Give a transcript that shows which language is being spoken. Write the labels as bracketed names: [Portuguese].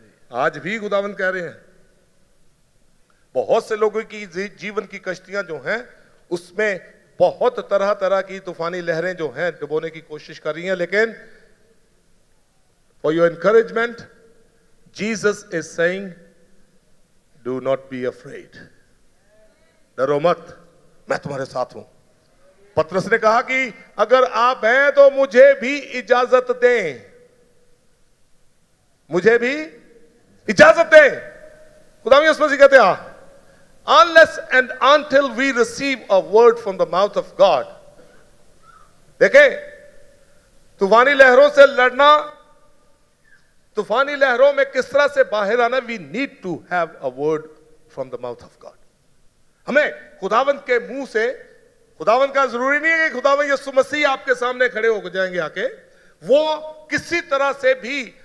[Urdu] آج بھی خداوند کہہ رہے ہیں, بہت سے لوگوں کی جیون کی کشتیاں جو ہیں اس میں بہت طرح طرح کی طوفانی لہریں جو ہیں ڈبونے کی کوشش کر رہی ہیں, لیکن for your encouragement Jesus is saying do not be afraid, ڈرو مت, میں تمہارے ساتھ ہوں. پترس نے کہا کہ اگر آپ ہیں تو مجھے بھی اجازت دیں, مجھے بھی اجازت دیں. [English] خدا بھی اس میں سے کہتے ہیں, Unless and until we receive a word from the mouth of God. [Urdu] دیکھیں, طوفانی لہروں سے لڑنا, طوفانی لہروں میں کس طرح سے باہر آنا, we need to have a word from the mouth of God. ہمیں خداوند کے منہ سے, خداوند کا ضروری نہیں ہے کہ خداوند یسوع مسیح آپ کے سامنے کھڑے ہو جائیں گے آ کے, وہ کسی طرح سے بھی